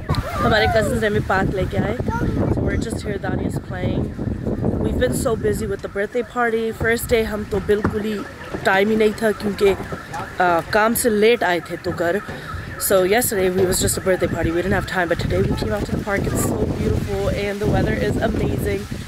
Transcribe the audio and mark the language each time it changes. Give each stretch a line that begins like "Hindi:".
English: Our cousins have park like I. So we're just here. Dania's playing. We've been so busy with the birthday party. First day, we
Urdu: تو بالکل time ہی نہیں تھا کیونکہ کام سے late آئے تھے تو گھر.
English: So yesterday it was just a birthday party. We didn't have time, but today we came out to the park. It's so beautiful and the weather is amazing.